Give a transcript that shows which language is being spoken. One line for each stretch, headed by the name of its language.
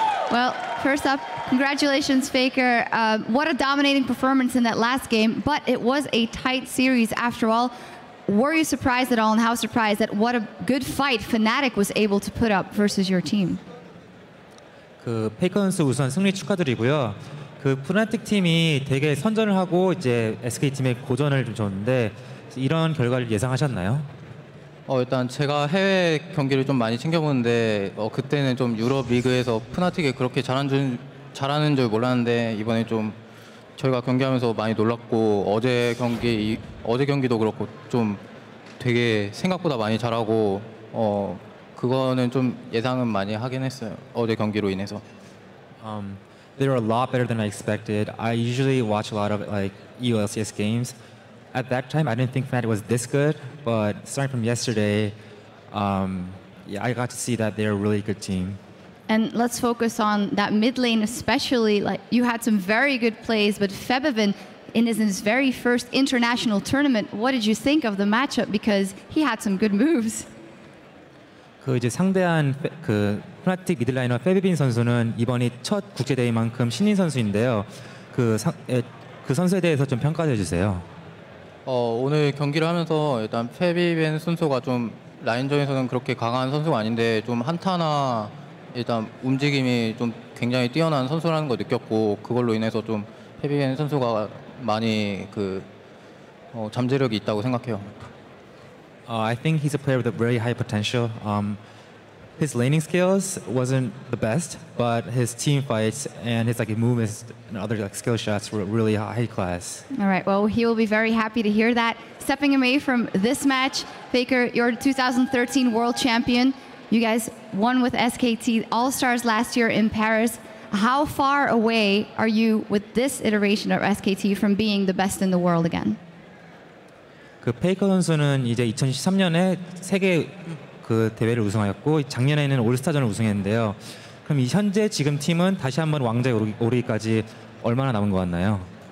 English: Well, first up, congratulations, Faker. What a dominating performance in that last game, but it was a tight series after all. Were you surprised at all, and how surprised at what a good fight Fnatic was able to put up versus your team?
Korean: Faker 선수 우선 승리 축하드리고요. 그 Fnatic 팀이 되게 선전을 하고 이제 SK 팀에 고전을 좀 줬는데 이런 결과를 예상하셨나요? 일단 제가 해외 경기를 좀 많이 챙겨보는데 그때는 좀 유럽 리그에서 Fnatic이 그렇게 잘하는 줄 몰랐는데 이번에 좀 저희가 경기하면서 많이 놀랐고 어제 경기도 그렇고 좀 되게 생각보다 많이 잘하고 그거는 좀 예상은 많이 하긴 했어요 어제 경기로 인해서.
English: They were a lot better than I expected. I usually watch a lot of like ELCS games. At that time, I didn't think Fnatic was this good, but starting from yesterday, I got to see that they're a really good team. And let's focus on that mid lane especially. Like, you had some very good plays, but Febiven, in his very first international tournament, what did you think of the matchup? Because he had some good moves.
Korean: 그 이제 상대한 그 Fnatic 미들라이너 페비빈 선수는 이번이 첫 국제대회만큼 신인 선수인데요. 그 선수에 대해서 좀 평가해 주세요. 오늘 경기를 하면서 일단 페비빈 선수가 좀 라인전에서는 그렇게 강한 선수가 아닌데 좀 한타나 일단 움직임이 좀 굉장히 뛰어난 선수라는 거 느꼈고 그걸로 인해서 좀 페비빈 선수가 많이 그 잠재력이 있다고 생각해요.
English: I think he's a player with a very high potential. His laning skills wasn't the best, but his team fights and his like movements and other like skill shots were really high class. All right, well, he will be very happy to hear that. Stepping away from this match, Faker, you're the 2013 world champion. You guys won with SKT All-Stars last year in Paris. How far away are you with this iteration of SKT from being the best in the world again?
Korean: 그 페이커 선수는 이제 2013년에 세계 그 대회를 우승하였고 작년에는 올스타전을 우승했는데요. 그럼 이 현재 지금 팀은 다시 한번 왕좌에 오르기까지 얼마나 남은 것 같나요?